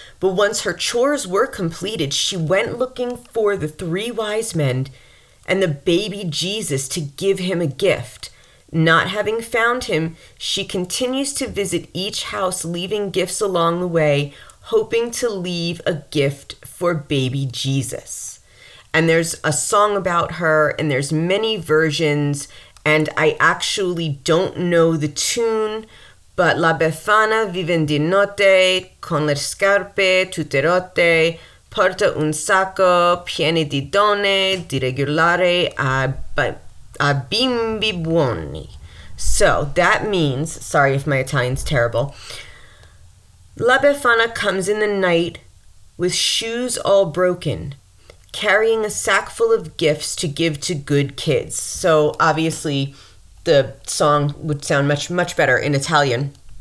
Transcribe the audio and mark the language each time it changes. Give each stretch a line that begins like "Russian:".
English: But once her chores were completed, she went looking for the three wise men and the baby Jesus to give him a gift. Not having found him, she continues to visit each house, leaving gifts along the way, hoping to leave a gift for baby Jesus. And there's a song about her, and there's many versions. And I actually don't know the tune, but
Italian: La Befana vive di notte con le scarpe tutte rotte, porta un sacco pieno di donne di regolare a bimbi buoni.
English: So that means, sorry if my Italian's terrible, La Befana comes in the night with shoes all broken, carrying a sack full of gifts to give to good kids. So obviously the song would sound much, much better in Italian.